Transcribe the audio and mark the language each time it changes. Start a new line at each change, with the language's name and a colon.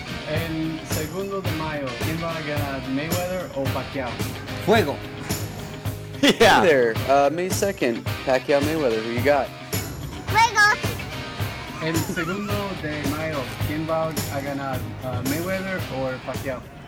Spanish: En segundo de mayo, ¿quién va a ganar, Mayweather o Pacquiao? Fuego.
English: Yeah. Hey there, May 2nd, Pacquiao Mayweather, who you got?
Spanish: Fuego. El segundo de mayo, ¿quién va a ganar, Mayweather
English: or
Spanish: Pacquiao?